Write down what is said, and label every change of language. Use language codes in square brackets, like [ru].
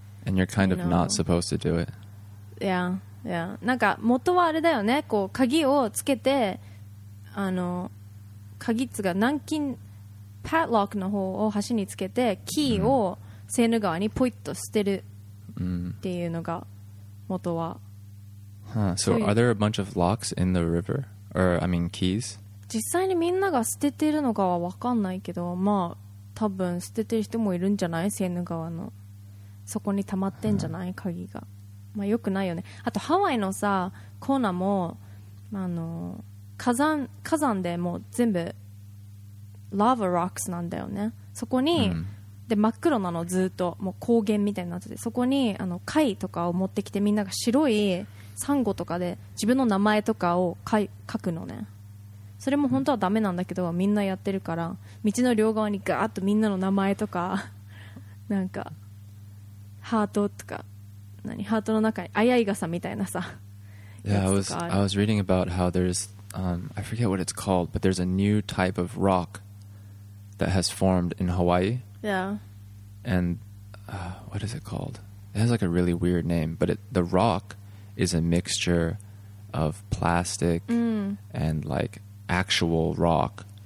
[en] And you're kind of not supposed to do it. Yeah, yeah. [ja] なんか元はあれだよね。こう鍵をつけて、鍵つが南京パッロックの方を橋につけてキーをセーヌ川にポイッと捨てるっていうのが元は、 [en] So are there a bunch of locks in the river? Or I mean keys? [ja] 実際にみんなが捨ててるのかは分かんないけどまあ多分捨ててる人もいるんじゃない？セーヌ川のそこに溜まってんじゃない？鍵がまあよくないよね。あとハワイのさコーナーも、まあ、火山でもう全部ラーバロックスなんだよね。そこに、で真っ黒なのずっともう高原みたいになっててそこに貝とかを持ってきてみんなが白いサンゴとかで自分の名前とかを書くのね。それも本当はダメなんだけど、みんなやってるから道の両側にガーッとみんなの名前とかなんかハートとか何ハートの中にあやい傘みたいなさ。 [en] Yeah, I was reading about how there'sI forget what it's called, but there's a new type of rock that has formed in Hawaii. Yeah. And what is it called? It has like a really weird name, but the rock is a mixture of plastic and like actual rock.